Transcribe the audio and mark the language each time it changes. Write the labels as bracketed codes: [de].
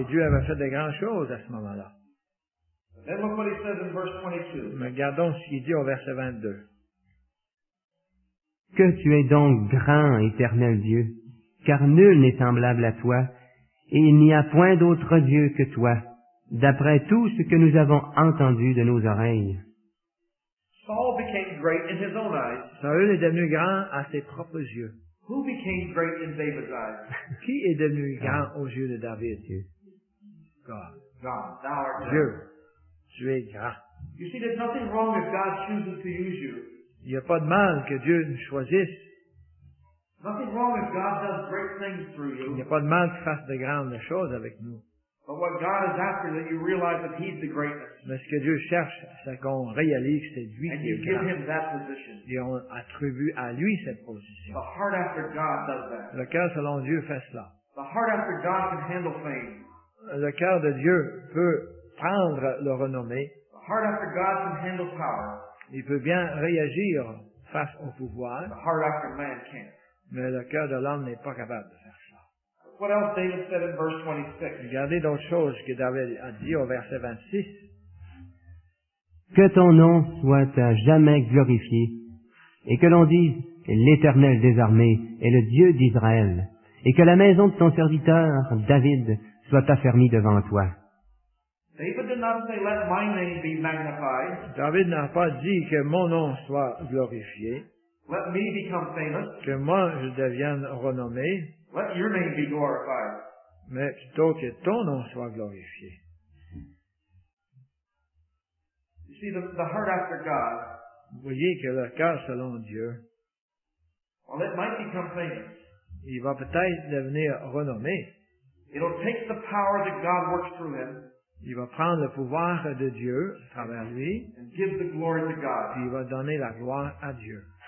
[fr] Et Dieu avait fait de grandes choses à ce moment-là. [en] But then look what he says in verse 22. [fr] Mais regardons ce qu'il dit au verset 22. Que tu es donc grand, éternel Dieu, car nul n'est semblable à toi, et il n'y a point d'autre Dieu que toi, d'après tout ce que nous avons entendu de nos oreilles. [en] Saul became great in his own eyes. [fr] Saül est devenu grand à ses propres yeux. [en] Who became great in David's eyes? [fr] Qui est devenu grand aux yeux de David, Dieu? [en] God. God, thou art [fr] Dieu. Tu es grand. [en] You see, there's nothing wrong if God chooses to use you. [fr] Il n'y a pas de mal que Dieu nous choisisse. [en] Nothing wrong if God does great things through you. [fr] Il n'y a pas de mal qu'il fasse de grandes choses avec nous. [en] But what God is after that you realize that He's the greatest. [fr] Mais ce que Dieu cherche, c'est qu'on réalise que c'est lui [en] And [fr] qui est grand. [en] And you give Him that position. [fr] Et on attribue à lui cette position. [en] The heart after God does that. [fr] Le cœur selon Dieu fait cela. [en] The heart after God can handle fame. [fr] Le cœur de Dieu peut prendre le renommée. [en] The heart after God can handle power. [fr] Il peut bien réagir face au pouvoir, [en] the heart after man can't. [fr] Mais le cœur de l'homme n'est pas capable de faire ça. [en] What else David said in verse 26? [fr] Regardez d'autres choses que David a dit au verset 26. Que ton nom soit à jamais glorifié, et que l'on dise, l'Éternel des armées est le Dieu d'Israël, et que la maison de ton serviteur, David, soit affermie devant toi. [en] David did not say, "Let my name be magnified." [fr] David n'a pas dit que mon nom soit glorifié. [en] Let me become famous. [fr] Que moi je devienne renommé. [en] Let your name be glorified. [fr] Mais plutôt que ton nom soit glorifié. [en] You see, the heart after God. [fr] Vous voyez que le cœur selon Dieu. [en] Well, it might become famous. [fr] Il va peut-être devenir renommé. [en] It'll take the power that God works through him. [fr] Il va prendre le pouvoir de Dieu à travers lui. [en] And give the glory to God. [fr] Puis il va donner la gloire à Dieu.